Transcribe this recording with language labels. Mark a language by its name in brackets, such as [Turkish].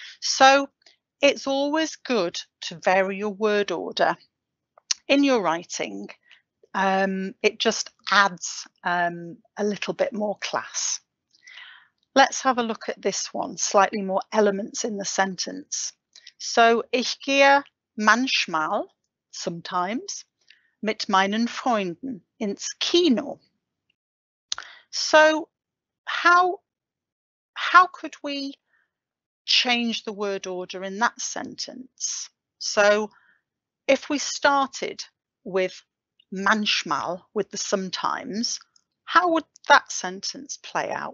[English] So it's always good to vary your word order in your writing. It just adds a little bit more class. Let's have a look at this one, slightly more elements in the sentence. [German] So, ich gehe manchmal, sometimes, mit meinen Freunden ins Kino. [English] So, how could we change the word order in that sentence? So, if we started with manchmal, with the sometimes, how would that sentence play out?